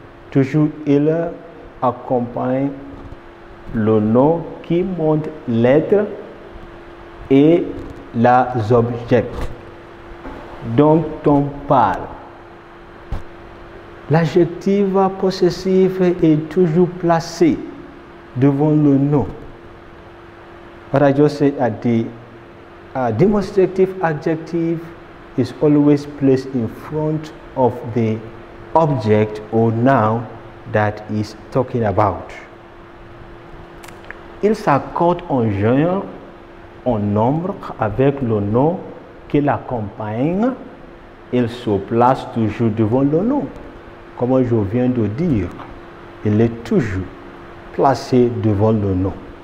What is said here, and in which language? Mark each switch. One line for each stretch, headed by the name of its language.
French: Toujours il accompagne le nom qui montre l'être et les objets dont on parle. L'adjectif possessif est toujours placé devant le nom.
English: What I just said at the demonstrative adjective is always placed in front of the object or noun that is talking about.
French: Il s'accorde en genre, en nombre avec le nom qui l'accompagne. Il se place toujours devant le nom. Comme je viens de dire, il est toujours placé devant le nom.